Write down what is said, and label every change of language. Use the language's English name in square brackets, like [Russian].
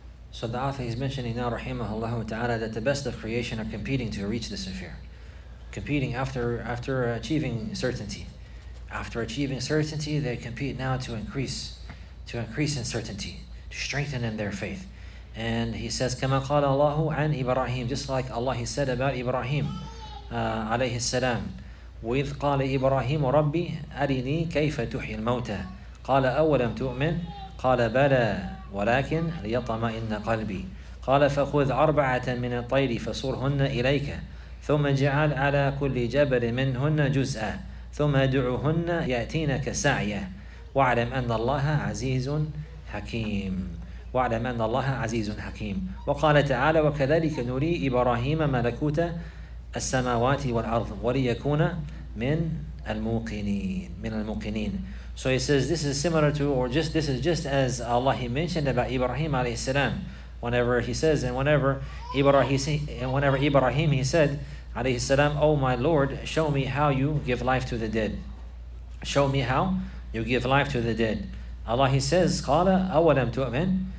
[English] So the author is mentioning now, rahimahullah ta'ala, that the best of creation are competing to reach this affair. Competing after achieving certainty. After achieving certainty, they compete now to increase in certainty, to strengthen in their faith. And he says, [Arabic] كَمَا قَالَ اللَّهُ عَنْ إِبْرَاهِيمُ. [English] Just like Allah, He said about Ibrahim, alayhi salam, [Arabic] وَإِذْ قَالَ إِبْرَاهِيمُ رَبِّ أَرِنِي كَيْفَ تُحْيِي الْمَوْتَى قَالَ أَوَلَمْ تُؤْمِنْ قَالَ بَلَى وَلَكِنْ لِيَطْمَئِنَّ قَلْبِي قَالَ فَخُذْ أَرْبَعَةً مِنَ الطَّيْرِ فَصُرْهُنَّ إِلَيْكَ ثُمَّ اجْعَلْ عَلَى كُلِّ جَبَلٍ مِنْهُنَّ جُزْءًا ثُمَّ دُعُهُنَّ يَأْتِينَكَ سَعْيَةً وَعْلَمْ أَنَّ اللَّهَ عَزِيزٌ حَكِيمٌ وَعْلَمْ أَنَّ اللَّهَ عَزِيزٌ حَكِيمٌ وَقَالَ تَعَالَى وَكَذَلِكَ نُرِي إِبْرَاهِيمَ مَلَكُوتَ السَّمَاوَاتِ وَالْأَرْضِ وَلِيَكُونَ مِنَ الْمُوقِنِينَ [English] So he says this is similar to, or just this is just as Allah he mentioned about Ibrahim alayhi salam. Whenever he says, and whenever Ibrahim he said alayhi salam, "Oh my Lord, show me how you give life to the dead. Show me how you give life to the dead." Allah he says, [Arabic] "Qala awalam tu'min?"